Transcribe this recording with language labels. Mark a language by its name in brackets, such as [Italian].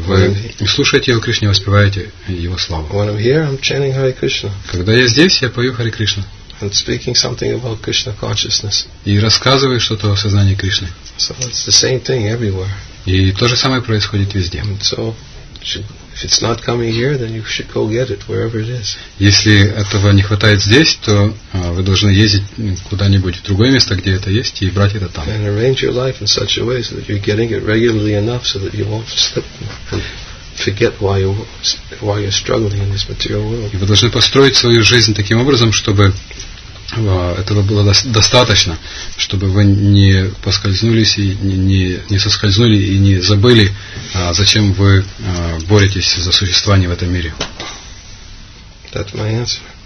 [Russian] Вы слушаете его Кришне, воспеваете его славу. [English] When I'm here, I'm chanting Hare Krishna. [Russian] Когда я здесь, я пою Hare Krishna. [English] And speaking something about Krishna consciousness. [Russian] И рассказываю что-то о сознании Кришны. [English] So it's the same thing everywhere. [Russian] И то же самое происходит везде. [English] If it's not coming here, then you should go get it wherever it is. [Russian] Если этого не хватает здесь, то вы должны ездить куда-нибудь в другое место, где это есть, и брать это там. [English] And arrange your life in such a way so that you're getting it regularly enough so that you won't slip and forget why you're struggling in this material world. [Russian] И вы должны построить свою жизнь таким образом, чтобы этого было достаточно, чтобы вы не поскользнулись и не соскользнули и не забыли, зачем вы боретесь за существование в этом мире. [English] That's my answer.